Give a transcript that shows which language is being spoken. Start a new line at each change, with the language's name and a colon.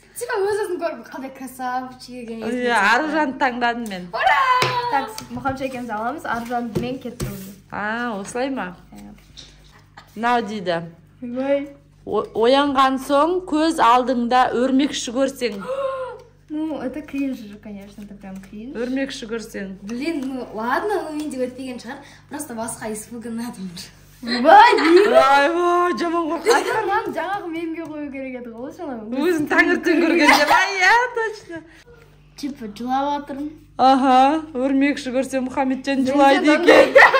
Kazakh: Типа өз өзін көріп, қандай красавчик екен. Иә, Аружанды таңдадым мен. Ура! Так, Мухаммеджан екеуміз аламыз, Аружан мен кетті өзі. Осылай ма? Мынау дейді. Ой. Оянған соң көз алдыңда өрмекші көрсең.
Russian: Ну, это кринж же, конечно, это прям кринж.
Kazakh: Өрмекші көрсең.
Russian: Блин, ну ладно, ну
Kazakh: менде өтпеген шығар, просто басқа испуганадым. Ой, жаман қорқасың. Айтқан жаңағы мемге қою керек еді ғой, сол ана. Өзің таңертең көргенде ма? Иә,
Russian: точно.
Kazakh: Типа жылап отырмын. Аха, өрмекші көрсең Мухаммеджан жылайды екен.